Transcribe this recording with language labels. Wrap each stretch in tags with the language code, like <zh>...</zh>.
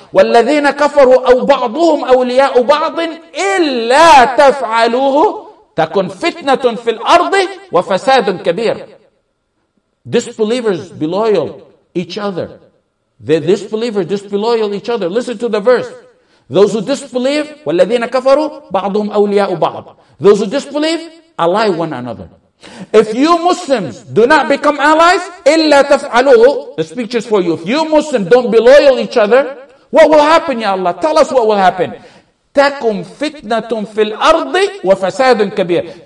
<ar>وَالَّذِينَ كَفَرُوا أَوْ بَعْضُهُمْ أَوْلِيَاءُ بَعْضٍ إِلَّا تَفْعَلُوهُ تَكُنْ فِتْنَةٌ فِي الْأَرْضِ وَفَسَادٌ كَبِيرٌ.</ar> <en>Disbelievers be loyal each other. The disbelievers just be loyal each other. Listen to the verse. Those who disbelieve,</en> <ar>وَالَّذِينَ كَفَرُوا بَعْضُهُمْ أَوْلِيَاءُ بَعْضٍ.</ar> <en>Those who disbelieve, ally one another. If you Muslims do not become allies,</en> <ar>إِلَّا تَفْعَلُوهُ.</ar> <en>The speech is for you. If you Muslims don't be loyal to each other, what will happen, Ya Allah? Tell us what will happen.</en> <ar>تَكُمْ فِتْنَةٌ فِي الْأَرْضِ وَفَسَادٌ كَبِيرٌ.</ar>